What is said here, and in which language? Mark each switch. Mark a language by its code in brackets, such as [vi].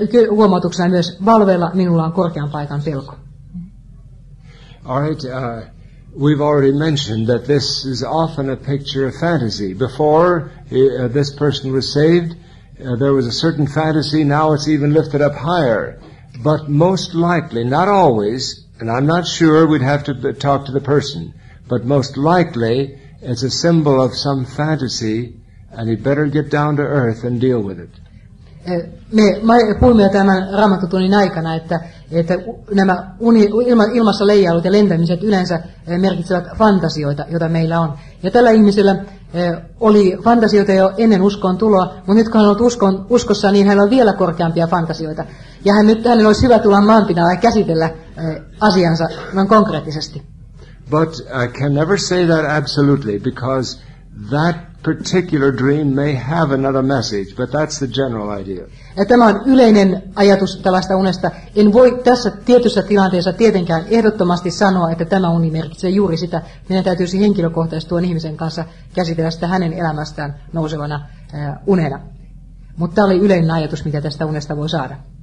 [fi] Huomautuksena myös, valveilla minulla on korkean paikan pelko. [en] All right, we've already mentioned that this is often a picture of fantasy. Before this person was saved, there was a certain fantasy, now it's even lifted up higher. But most likely, not always, and I'm not sure, we'd have to talk to the person. But most likely, it's a symbol of some fantasy, and he'd better get down to earth and deal with it. [fi] Me puhumme tämän raamattotunnin aikana, että nämä ilmassa leijailut ja lentämiset yleensä merkitsevät fantasioita, joita meillä on. Ja tällä ihmisellä oli fantasioita jo ennen uskoon tuloa, mutta nyt kun hän on ollut uskossa, niin hänellä on vielä korkeampia fantasioita. Ja hänellä olisi hyvä tulla maanpinnalle ja käsitellä asiansa noin konkreettisesti. [en] But I can never say that absolutely, because that particular dream may have another message, but that's the general idea. [fi] Ja tämä on yleinen ajatus tällaista unesta. En voi tässä tietyssä tilanteessa tietenkään ehdottomasti sanoa, että tämä uni merkitsee juuri sitä. Meidän täytyisi henkilökohtaisesti tuon ihmisen kanssa käsitellä sitä hänen elämästään nousevana unena. Mutta tämä oli yleinen ajatus, mitä tästä unesta voi saada.